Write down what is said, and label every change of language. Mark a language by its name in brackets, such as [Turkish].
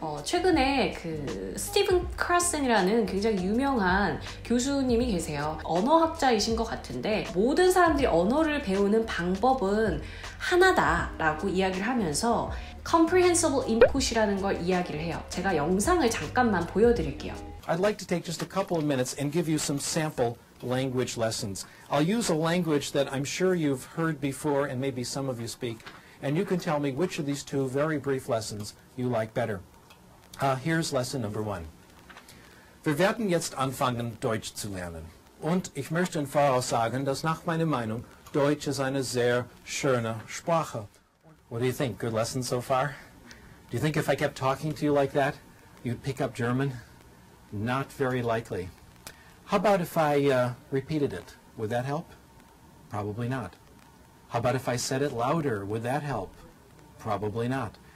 [Korean] 최근에 그 스티븐 크라슨이라는 굉장히 유명한 교수님이 계세요. 언어학자이신 것 같은데, 모든 사람들이 언어를 배우는 방법은 하나다라고 이야기를 하면서 comprehensible input이라는 걸 이야기를 해요. 제가 영상을 잠깐만 보여드릴게요. [English] I'd like to take just a couple of minutes and give you some sample language lessons. I'll use a language that I'm sure you've heard before and maybe some of you speak, and you can tell me which of these two very brief lessons you like better. Here's lesson number one. [German] Wir werden jetzt anfangen, Deutsch zu lernen. Und ich möchte im Voraus sagen, dass nach meiner Meinung Deutsch ist eine sehr schöne Sprache. [English] What do you think? Good lesson so far? Do you think if I kept talking to you like that, you'd pick up German? Not very likely. How about if I repeated it? Would that help? Probably not. How about if I said it louder? Would that help? Probably not.